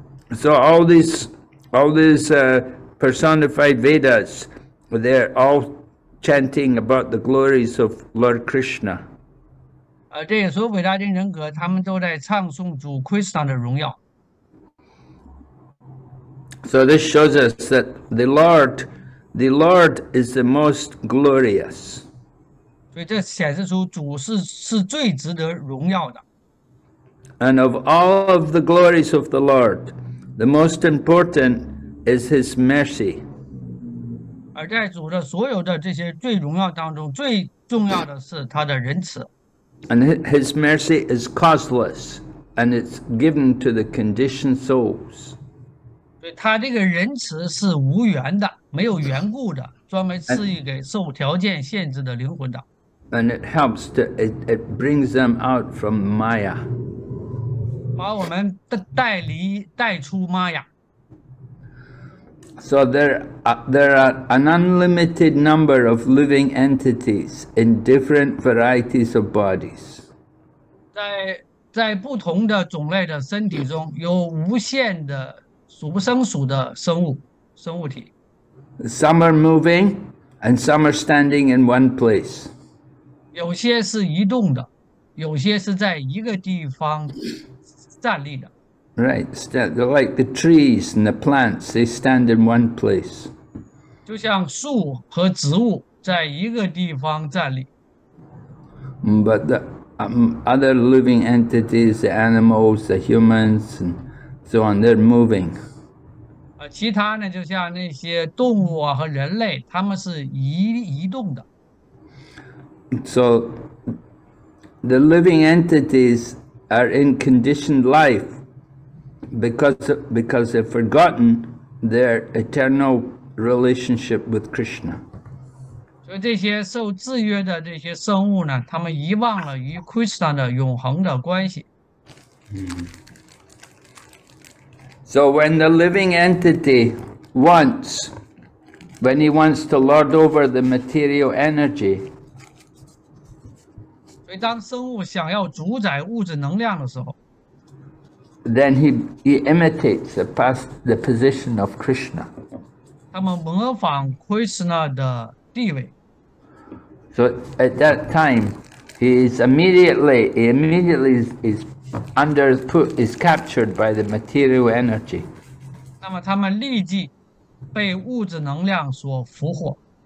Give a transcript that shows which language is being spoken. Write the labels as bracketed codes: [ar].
[en] So all these personified Vedas, they're all chanting about the glories of Lord Krishna. [zh] 这也说伟大的人格，他们都在唱诵主 Krishna 的荣耀。 [en] So this shows us that the Lord is the most glorious. [zh] 所以这显示出主是最值得荣耀的。 [en] And of all of the glories of the Lord, the most important is His mercy. [zh] 而在主的所有的这些最荣耀当中，最重要的是他的仁慈。 [en] And His mercy is causeless, and it's given to the conditioned souls. [zh] 对，他这个仁慈是无缘的，没有缘故的，专门赐予给受条件限制的灵魂的。 [en] And it helps to it brings them out from Maya. [zh] 把我们带出玛雅。 [en] So there are an unlimited number of living entities in different varieties of bodies. [zh] 在不同的种类的身体中，有无限的数不胜数的生物体。 [en] Some are moving and some are standing in one place. [zh] 有些是移动的，有些是在一个地方站立的。 [en] Right, they're like the trees and the plants, they stand in one place. [zh] 就像树和植物在一个地方站立。 [en] But the other living entities, the animals, the humans, and so on, they're moving. [zh] 其他呢，就像那些动物啊和人类，他们是移动的。 [en] So the living entities are in conditioned life. Because they've forgotten their eternal relationship with Krishna. [zh] 所以这些受制约的这些生物呢，他们遗忘了与 Krishna 的永恒的关系。 [en] So when the living entity wants, when he wants to lord over the material energy, [zh] 所以当生物想要主宰物质能量的时候， [en] then he imitates the position of Krishna. [zh] 他们模仿 Krishna 的地位。 [en] So at that time, he immediately is captured by the material energy. [zh] 那么他们立即被物质能量所俘获。